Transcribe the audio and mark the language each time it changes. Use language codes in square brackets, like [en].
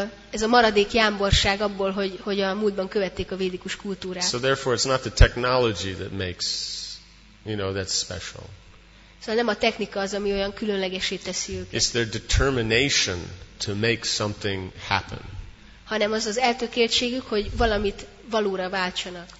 [hu] Ez a maradék jámborság abból, hogy a múltban követték a védikus kultúrát. [en] So therefore it's not the technology that makes, you know, that special. [hu] Szóval nem a technika az, ami olyan különlegessé teszi őket. [en] It's their determination to make something happen. [hu] Hanem az eltökéltségük, hogy valamit valóra váltsanak.